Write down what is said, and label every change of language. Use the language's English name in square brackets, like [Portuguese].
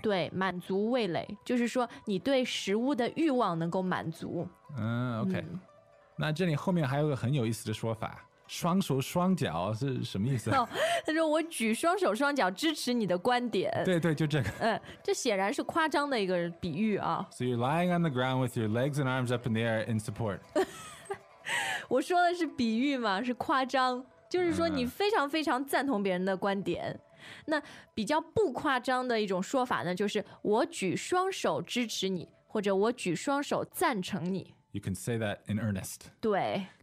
[Chinese] 对，满足味蕾就是说你对食物的欲望能够满足。 OK。那这里后面还有个很有意思的说法，双手双脚是什么意思？他说我举双手双脚支持你的观点。对对，就这个。这显然是夸张的一个比喻啊。 [English] So you're lying on the ground with your legs and arms up in the air in support. [Chinese] 我说的是比喻嘛，是夸张，就是说你非常非常赞同别人的观点。那比较不夸张的一种说法呢，就是我举双手支持你，或者我举双手赞成你。 [English] You can say that in earnest. [Chinese] 对。